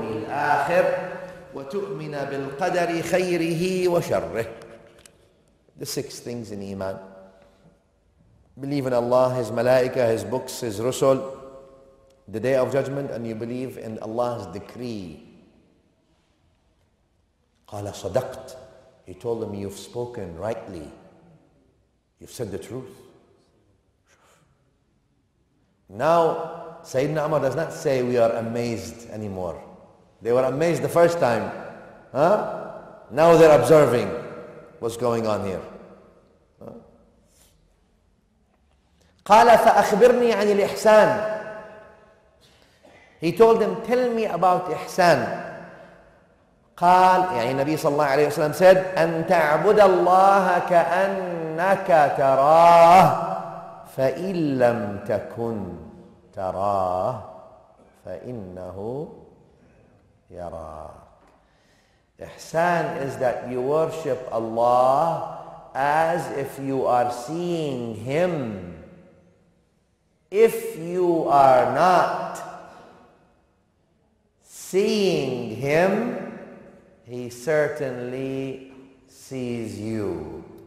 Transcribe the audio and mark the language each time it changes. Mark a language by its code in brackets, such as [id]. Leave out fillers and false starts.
[ar] الآخر وتؤمن بالقدر خيره وشره. [en] The six things in Iman. Believe in Allah, His Malaika, His books, His Rusul, the Day of Judgment, and you believe in Allah's decree. [ar] قال صدقت. [en] He told him, you've spoken rightly. You've said the truth. Now, Sayyidina Umar does not say we are amazed anymore. They were amazed the first time. Huh? Now they're observing what's going on here. [ar] قال فأخبرني عن الإحسان. [en] He told him, tell me about إحسان. [ar] قال يعني النبي صلى الله عليه وسلم said أن تعبد الله كأنك تراه فإن لم تكن تراه فإنه يراك. [en] إحسان is that you worship Allah as if you are seeing Him. If you are not seeing Him, He certainly sees you.